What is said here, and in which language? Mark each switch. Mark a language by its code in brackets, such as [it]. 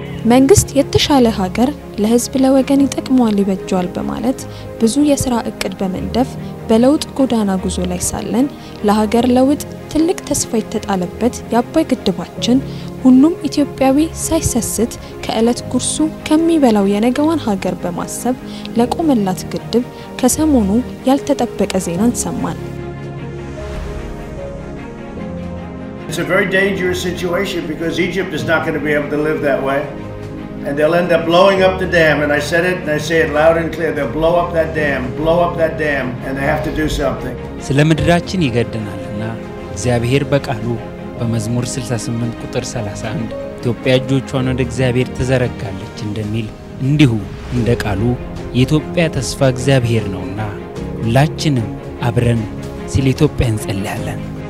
[am] መንግስት የተሻለ ሀገር ለህዝብ ለወገን ይጥቅማል ይበጃል በማለት ብዙ የሥራ እቅድ በመንደፍ በለውጥ ጎዳና ጉዞ ላይ ሳለን ለሀገር ለውጥ ትልቅ ተስፋ የተጣለበት ያባይ ግድባችን ሁሉም ኢትዮጵያዊ ሳይሰስት ከእለት ጉርሱ ከሚበላው የነገዋን ሀገር በማሰብ ለቆመላት ግድብ ከሰሞኑ ያልተጠበቀ ዜናን ሰማን [en] It's a very dangerous situation because Egypt is not going to be able to live that way. And they'll end up blowing up the dam. And I said it, and I say it loud and clear. They'll blow up that dam, blow up that dam, and they have to do something. [am] ስለምድራችን ይገድናልና እግዚአብሔር በቃሉ በመዝሙር 68 ቁጥር 31 ኢትዮጵያ እጆቿን ወደ እግዚአብሔር ተዘረጋለች እንደሚል እንዲሁ እንደ ቃሉ የኢትዮጵያ ተስፋ እግዚአብሔር ነውና ሁላችንም አብረን ስለ ኢትዮጵያ እንጸልያለን።